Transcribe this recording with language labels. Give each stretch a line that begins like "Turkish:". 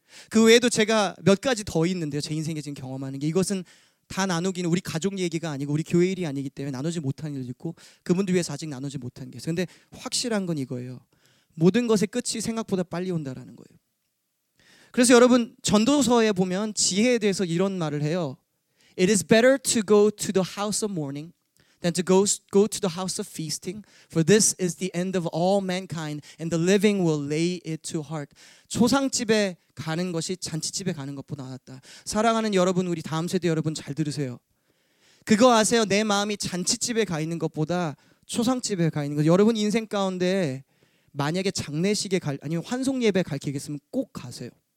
Korean: 그 외에도 제가 몇 가지 더 있는데요. 제 인생에 지금 경험하는 게, 이것은 다 나누기는 우리 가족 얘기가 아니고 우리 교회 일이 아니기 때문에 나누지 못한 일도 있고 그분들 위해서 아직 나누지 못한 게 있어요. 근데 확실한 건 이거예요. 모든 것의 끝이 생각보다 빨리 온다라는 거예요. 그래서 여러분 전도서에 보면 지혜에 대해서 이런 말을 해요.
English: It is better to go to the house of mourning than to go to the house of feasting. For this is the end of all mankind and the living will lay it to heart.
Korean: 초상집에 가는 것이 잔치집에 가는 것보다 낫다. 사랑하는 여러분, 우리 다음 세대 여러분 잘 들으세요. 그거 아세요? 내 마음이 잔치집에 가 있는 것보다 초상집에 가 있는 것. 여러분 인생 가운데 만약에 장례식에 갈, 아니면 환송예배 갈 기회가 있으면 꼭 가세요.